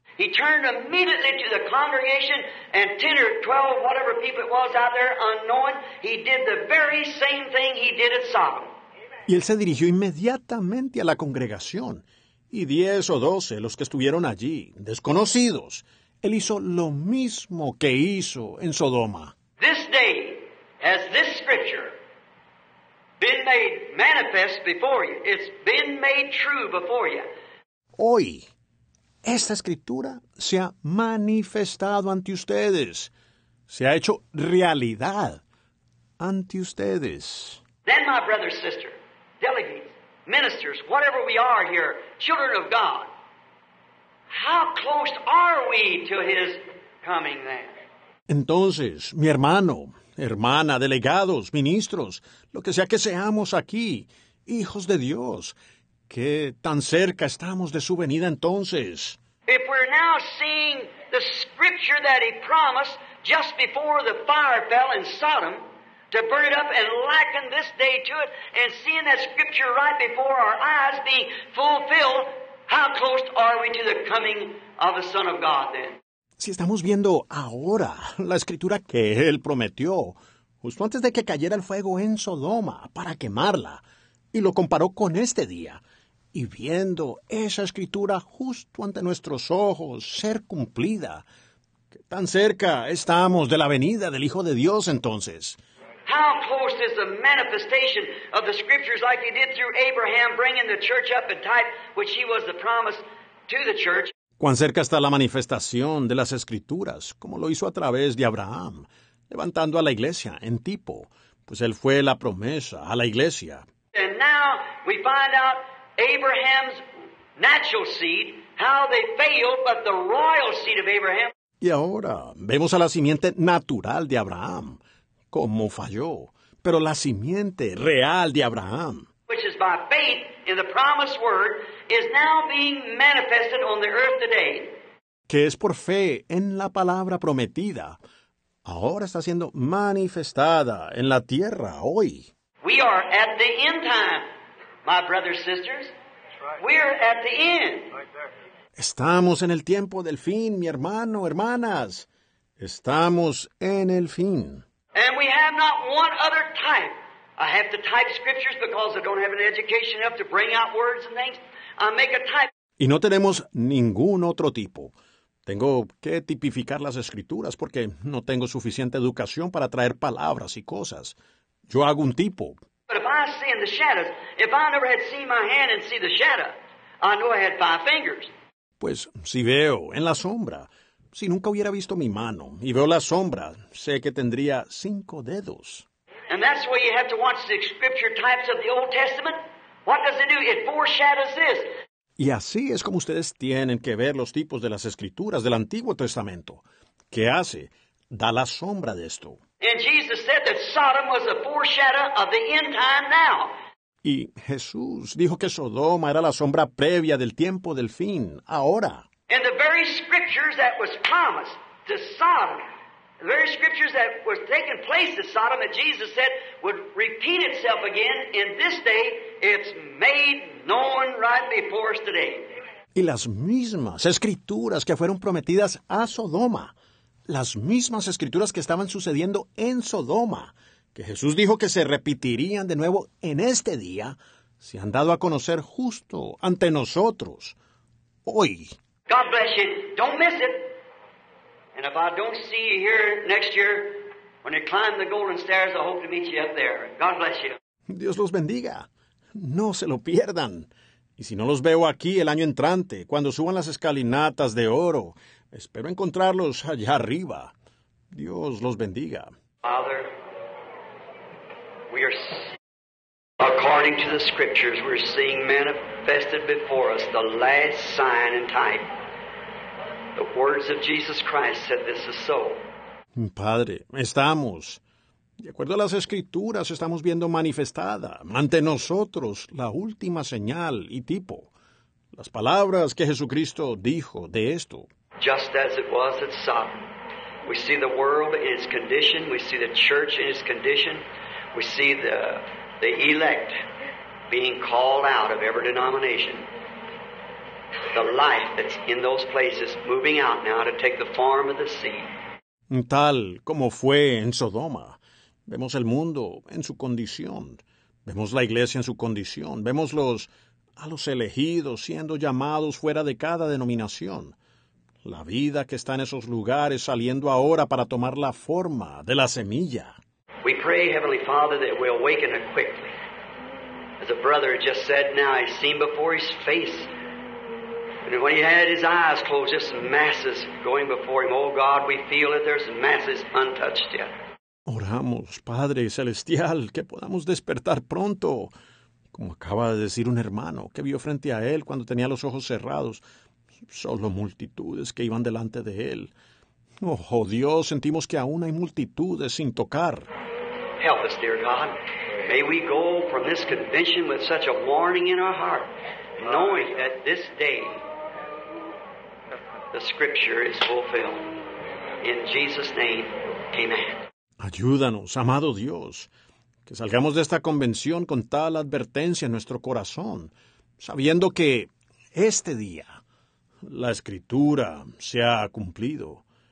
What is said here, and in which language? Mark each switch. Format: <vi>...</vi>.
<en>He turned immediately to the congregation and 10 or 12, whatever people it was out there, unknowing, he did the very same thing he did at Sodom. Amen.</en> <es>Y él se dirigió inmediatamente a la congregación, y 10 o 12, los que estuvieron allí, desconocidos, él hizo lo mismo que hizo en Sodoma.</es> <en>This day has this scripture been made manifest before you. It's been made true before you.</en> <es>Hoy, esta escritura se ha manifestado ante ustedes. Se ha hecho realidad ante ustedes.</es> <en>Then my brother, sister, delegates, ministers, whatever we are here, children of God, how close are we to his coming then?</en> <es>Entonces, mi hermano, hermana, delegados, ministros, lo que sea que seamos aquí, hijos de Dios, ¿qué tan cerca estamos de su venida entonces?</es> <en>If we're now seeing the scripture that he promised just before the fire fell in Sodom to burn it up and liken this day to it, and seeing that scripture right before our eyes being fulfilled, how close are we to the coming of the Son of God then?</en> <es>Si estamos viendo ahora la escritura que él prometió, justo antes de que cayera el fuego en Sodoma para quemarla, y lo comparó con este día, y viendo esa escritura justo ante nuestros ojos ser cumplida, ¿qué tan cerca estamos de la venida del Hijo de Dios entonces?</es> <en>How close is the manifestation of the scriptures like he did through Abraham bringing the church up in type which he was the promise to the church?</en> <es>¿Cuán cerca está la manifestación de las escrituras como lo hizo a través de Abraham levantando a la iglesia en tipo, pues él fue la promesa a la iglesia?</es> <en>And now we find out Abraham's natural seed, how they failed, but the royal seed of Abraham.</en> <es>Y ahora vemos a la simiente natural de Abraham cómo falló, pero la simiente real de Abraham,</es> <en>which is by faith in the promised word, is now being manifested on the earth today.</en> <es>Que es por fe en la palabra prometida, ahora está siendo manifestada en la tierra hoy.</es> <en>We are at the end time, my brothers and sisters. That's right. We're at the end.</en> <es>Estamos en el tiempo del fin, mi hermano, hermanas. Estamos en el fin.</es> <en>And we have not one other type. I have to type scriptures because I don't have an education enough to bring out words and things. I make a type.</en> <es>Y no tenemos ningún otro tipo. Tengo que tipificar las escrituras porque no tengo suficiente educación para traer palabras y cosas. Yo hago un tipo.</es> <en>But if I see in the shadows, if I never had seen my hand and see the shadow, I know I had five fingers.</en> <es>Pues si veo en la sombra, si nunca hubiera visto mi mano y veo la sombra, sé que tendría cinco dedos.</es> <en>And that's why you have to watch the scripture types of the Old Testament. What does it do? It foreshadows this.</en> <es>Y así es como ustedes tienen que ver los tipos de las escrituras del Antiguo Testamento. ¿Qué hace? Da la sombra de esto.</es> <en>And Jesus said that Sodom was a foreshadow of the end time now.</en> <es>Y Jesús dijo que Sodoma era la sombra previa del tiempo del fin, ahora.</es> <en>And the very scriptures that was promised to Sodom, the very scriptures that was taking place to Sodom that Jesus said would repeat itself again in this day, it's made known right before us today.</en> <es>Y las mismas escrituras que fueron prometidas a Sodoma, las mismas escrituras que estaban sucediendo en Sodoma, que Jesús dijo que se repetirían de nuevo en este día, se han dado a conocer justo ante nosotros, hoy.</es> <en>God bless you. Don't miss it. And if I don't see you here next year, when you climb the golden stairs, I hope to meet you up there. God bless you.</en> <es>Dios los bendiga. No se lo pierdan. Y si no los veo aquí el año entrante, cuando suban las escalinatas de oro, espero encontrarlos allá arriba. Dios los bendiga.</es> <en>Father, we are according to the scriptures, we're seeing manifested before us the last sign and type. The words of Jesus Christ said this is so.</en> <es>Padre, estamos. De acuerdo a las escrituras, estamos viendo manifestada ante nosotros la última señal y tipo. Las palabras que Jesucristo dijo de esto.</es> <en>Just as it was at Sodom. We see the world in its condition. We see the church in its condition. We see the elect being called out of every denomination. The life that's in those places moving out now to take the form of the seed.</en> <es>Tal como fue en Sodoma, vemos el mundo en su condición. Vemos la iglesia en su condición. Vemos a los elegidos siendo llamados fuera de cada denominación. La vida que está en esos lugares saliendo ahora para tomar la forma de la semilla.</es> <en>We pray, Heavenly Father, that we awaken it quickly. As a brother just said now, he's seen before his face. And when he had his eyes closed, just masses going before him. Oh, God, we feel that there's masses untouched yet.</en> <es>Oramos, Padre Celestial, que podamos despertar pronto. Como acaba de decir un hermano que vio frente a él cuando tenía los ojos cerrados, solo multitudes que iban delante de él. Oh, Dios, sentimos que aún hay multitudes sin tocar.</es> <en>Help us, dear God. May we go from this convention with such a warning in our heart, knowing that this day the scripture is fulfilled. In Jesus' name, amen.</en> <es>Ayúdanos, amado Dios, que salgamos de esta convención con tal advertencia en nuestro corazón, sabiendo que este día la escritura se ha cumplido.</es>